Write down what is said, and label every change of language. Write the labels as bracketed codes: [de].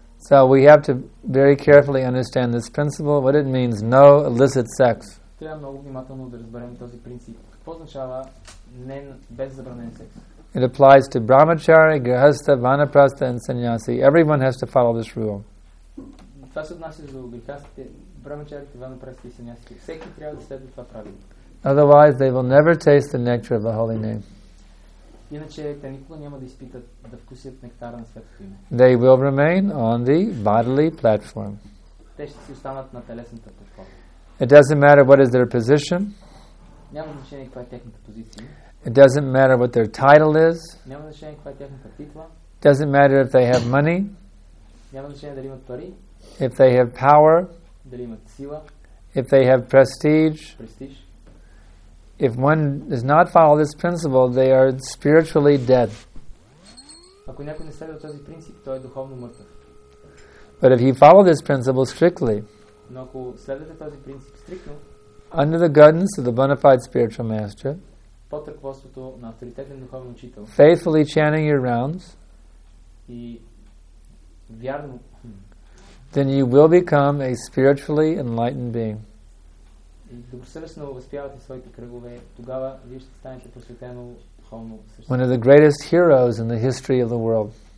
[en] So we have to very carefully understand this principle, what it means, no illicit sex. [bg] Трябва много внимателно да разберем този принцип. Какво означава не без забранен секс? [en] It applies to brahmachari, grihastha, vanaprastha and sannyasi. Everyone has to follow this rule. [bg] Това се отнася за грихастите, брахмачарите, ванапрастите и сънясите. Всеки трябва да следва това правило. [en] Otherwise, they will never taste the nectar of the holy name. [bg] Иначе те никога няма да изпитат да вкусят нектара на светлото име. [en] They will remain on the bodily platform. [bg] Те ще си останат на телесната платформа. [en] It doesn't matter what is their position. [bg] Няма значение каква е техната позиция. [en] It doesn't matter what their title is. [bg] Няма значение каква е техната титла. [en] Doesn't matter if they have money. [bg] Няма значение дали имат пари. [en] If they have power. [bg] Дали имат сила. [en] If they have prestige. [bg] Престиж. [en] If one does not follow this principle, they are spiritually dead. [bg] Ако някой не следва този принцип, той е духовно мъртъв. [en] But if you follow this principle strictly, [bg] но ако следвате този принцип стриктно, [en] under the guidance of the bona fide spiritual master, [bg] под ръководството на авторитетен духовен учител, [en] faithfully chanting your rounds, [bg] и вярно, [en] then you will become a spiritually enlightened being. [bg] Добросъвестно възпявате своите кръгове, тогава вие ще станете просветено духовно същество. [en] One of the greatest heroes in the history of the world.